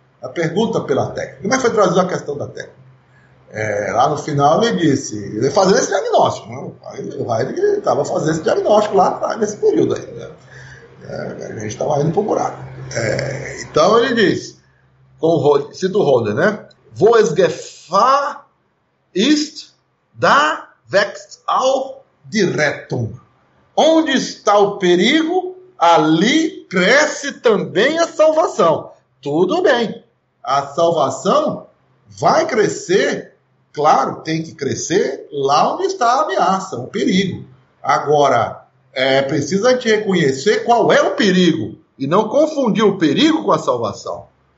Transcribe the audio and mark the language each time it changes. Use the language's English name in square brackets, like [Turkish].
[Portuguese] A pergunta pela técnica. Como é que foi traduzido a questão da técnica? Lá no final ele disse, ele fazendo esse diagnóstico, né? O Heidegger estava fazendo esse diagnóstico lá atrás, nesse período aí, né? A gente estava indo para o buraco. Então ele disse, cita o Hölderlin, né? [German] Wo es Gefahr ist, da wächst auch die Rettung. [Portuguese] Onde está o perigo, ali cresce também a salvação. Tudo bem, a salvação vai crescer, claro, tem que crescer lá onde está a ameaça, o perigo. Agora, é preciso a gente reconhecer qual é o perigo e não confundir o perigo com a salvação.